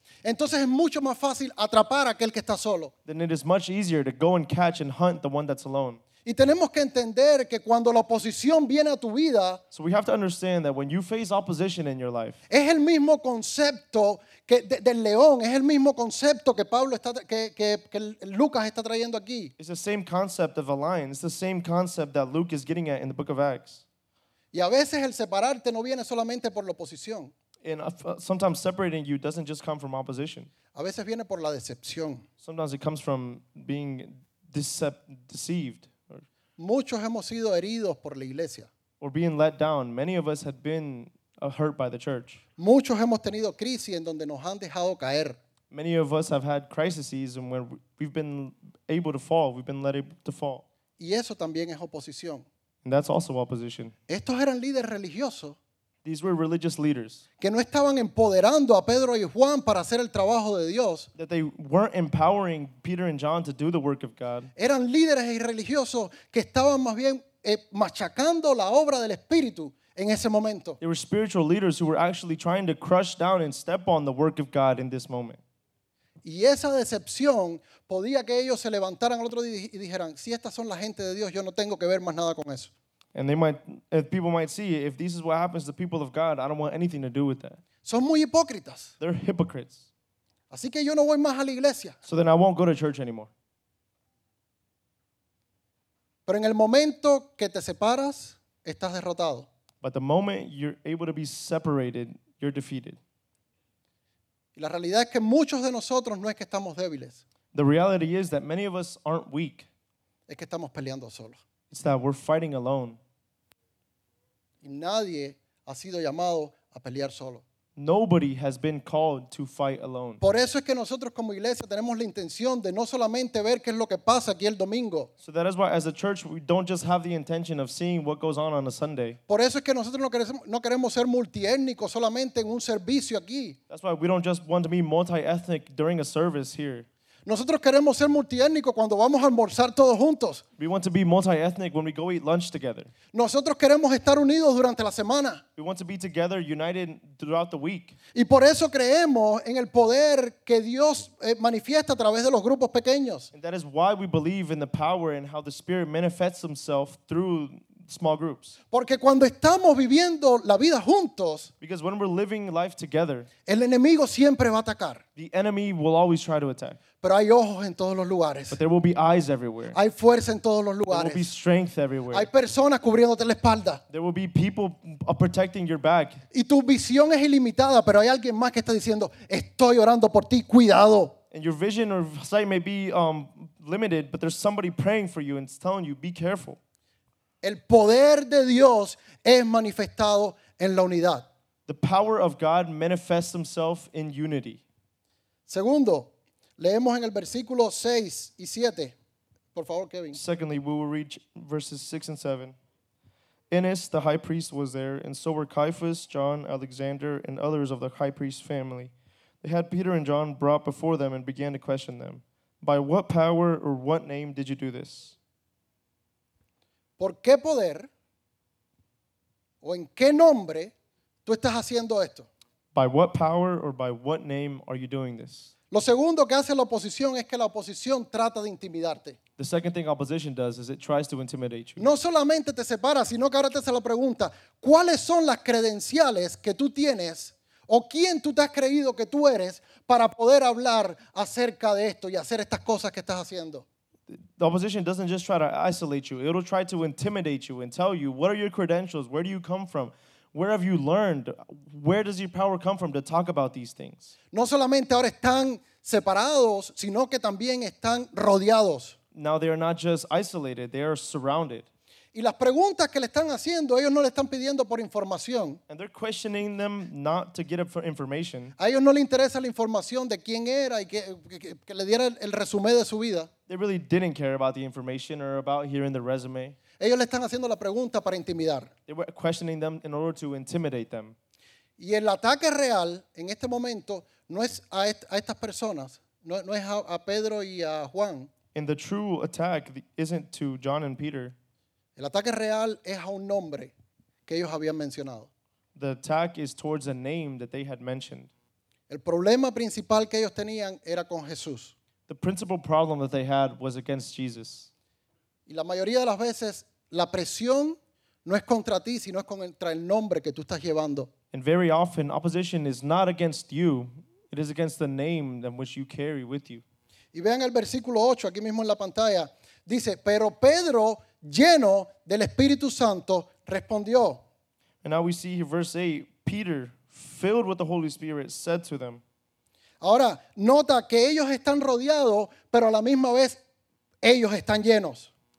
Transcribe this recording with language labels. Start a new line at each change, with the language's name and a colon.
Spanish: Entonces es mucho más fácil atrapar a aquel que está solo.
English: Then it is much easier to go and catch and hunt the one that's alone.
Spanish: Y tenemos que entender que cuando la oposición viene a tu vida,
English: so we have to understand that when you face opposition in your life,
Spanish: es el mismo concepto que del león, es el mismo concepto que Pablo está que Lucas está trayendo aquí.
English: It's the same concept of a lion. It's the same concept that Luke is getting at in the book of Acts.
Spanish: Y a veces el separarte no viene solamente por la oposición.
English: And sometimes separating you doesn't just come from opposition.
Spanish: A veces viene por la decepción.
English: Sometimes it comes from being deceived.
Spanish: Muchos hemos sido heridos por la iglesia.
English: Or being let down. Many of us have been hurt by the church.
Spanish: Muchos hemos tenido crisis en donde nos han dejado caer.
English: Many of us have had crises and where we've been able to fall. We've been let to fall.
Spanish: Y eso también es oposición.
English: And that's also opposition.
Spanish: Estos eran líderes religiosos.
English: These were religious leaders.
Spanish: Que no estaban empoderando a Pedro y Juan para hacer el trabajo de Dios.
English: That they weren't empowering Peter and John to do the work of God.
Spanish: Eran líderes y religiosos que estaban más bien machacando la obra del Espíritu en ese momento.
English: They were spiritual leaders who were actually trying to crush down and step on the work of God in this moment.
Spanish: Y esa decepción podía que ellos se levantaran al otro día y dijeran, si estas son la gente de Dios, yo no tengo que ver más nada con eso.
English: And they might, if people might see, if this is what happens to the people of God, I don't want anything to do with that.
Spanish: Son muy hipócritas.
English: They're hypocrites.
Spanish: Así que yo no voy más a la iglesia.
English: So then I won't go to church anymore.
Spanish: Pero en el momento que te separas, estás derrotado.
English: But the moment you're able to be separated, you're defeated.
Spanish: Y la realidad es que muchos de nosotros no es que estamos débiles.
English: The reality is that many of us aren't weak.
Spanish: Es que estamos peleando solos.
English: It's that we're fighting alone.
Spanish: Y nadie ha sido llamado a pelear solo.
English: Nobody has been called to fight alone.
Spanish: Por eso es que nosotros como iglesia tenemos la intención de no solamente ver qué es lo que pasa aquí el domingo.
English: So that is why as a church we don't just have the intention of seeing what goes on a Sunday.
Spanish: Por eso es que nosotros no queremos ser multiétnicos solamente en un servicio aquí.
English: That's why we don't just want to be multi-ethnic during a service here.
Spanish: Nosotros queremos ser multiétnico cuando vamos a almorzar todos juntos.
English: We want to be multi-ethnic when we go eat lunch together.
Spanish: Nosotros queremos estar unidos durante la semana.
English: We want to be together, united throughout the week.
Spanish: Y por eso creemos en el poder que Dios manifiesta a través de los grupos pequeños.
English: And that is why we believe in the power and how the Spirit manifests himself through small groups.
Spanish: Porque cuando estamos viviendo la vida juntos,
English: because when we're living life together,
Spanish: el enemigo siempre va a atacar.
English: The enemy will always try to attack.
Spanish: Pero hay ojos en todos los lugares.
English: But there will be eyes everywhere.
Spanish: Hay fuerza en todos los lugares.
English: There will be strength everywhere.
Spanish: Hay personas cubriéndote la espalda.
English: There will be people protecting your back.
Spanish: Y tu visión es ilimitada, pero hay alguien más que está diciendo, estoy orando por ti, cuidado.
English: And your vision or sight may be limited, but there's somebody praying for you and it's telling you, be careful.
Spanish: El poder de Dios es manifestado en la unidad.
English: The power of God manifests himself in unity.
Spanish: Segundo, leemos en el versículo 6 y 7. Por favor, Kevin.
English: Secondly, we will read verses 6 and 7. Annas, the high priest, was there, and so were Caiaphas, John, Alexander, and others of the high priest's family. They had Peter and John brought before them and began to question them. By what power or what name did you do this?
Spanish: ¿Por qué poder o en qué nombre tú estás haciendo esto?
English: By what power or by what name are you doing this?
Spanish: Lo segundo que hace la oposición es que la oposición trata de intimidarte.
English: The second thing opposition does is it tries to intimidate you.
Spanish: No solamente te separa, sino que ahora te hace la pregunta, ¿cuáles son las credenciales que tú tienes o quién tú te has creído que tú eres para poder hablar acerca de esto y hacer estas cosas que estás haciendo?
English: The opposition doesn't just try to isolate you. It'll try to intimidate you and tell you, what are your credentials? Where do you come from? Where have you learned? Where does your power come from to talk about these things?
Spanish: No solamente ahora están separados, sino que también están rodeados.
English: Now they are not just isolated, they are surrounded.
Spanish: Y las preguntas que le están haciendo, ellos no le están pidiendo por información.
English: And they're questioning them not to get information.
Spanish: A ellos no le interesa la información de quién era y que le diera el resumen de su vida.
English: They really didn't care about the information or about hearing the resume.
Spanish: Ellos le están haciendo la pregunta para intimidar.
English: They were questioning them in order to intimidate them.
Spanish: Y el ataque real en este momento no es a, a estas personas, no, no es a, a Pedro y a Juan.
English: And the true attack isn't to John and Peter.
Spanish: El ataque real es a un nombre que ellos habían mencionado.
English: The attack is towards a name that they had mentioned.
Spanish: El problema principal que ellos tenían era con Jesús.
English: The principal problem that they had was against Jesus.
Spanish: Y la mayoría de las veces la presión no es contra ti, sino es contra el nombre que tú estás llevando.
English: And very often opposition is not against you, it is against the name that which you carry with you.
Spanish: Y vean el versículo 8 aquí mismo en la pantalla, dice, "Pero Pedro, lleno del Espíritu Santo, respondió."
English: And now we see here verse 8, Peter, filled with the Holy Spirit, said to them.
Spanish: Ahora, nota que ellos están rodeados, pero a la misma vez ellos están llenos.